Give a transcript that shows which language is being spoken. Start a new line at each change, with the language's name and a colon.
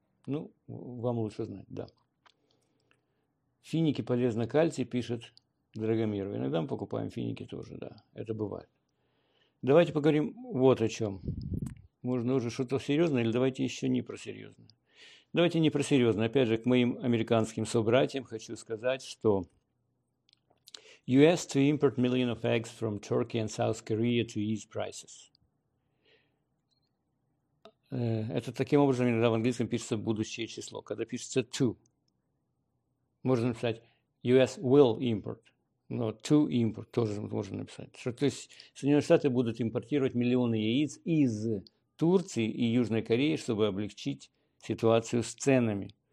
Russian: Ну, вам лучше знать, да. Финики полезны кальций, пишет Драгомир. Иногда мы покупаем финики тоже, да. Это бывает. Давайте поговорим вот о чем. Можно уже что-то серьезное или давайте еще не про серьезное. Давайте не про серьезное. Опять же, к моим американским собратьям хочу сказать, что
English: U.S. to import millions of eggs from Turkey and South Korea to ease prices.
Russian: Это таким образом иногда в английском пишется будущее число, когда пишется to. Можно написать
English: U.S. will import,
Russian: но to import тоже можно написать. То есть Соединенные Штаты будут импортировать миллионы яиц из Турции и Южной Кореи, чтобы облегчить ситуацию с ценами.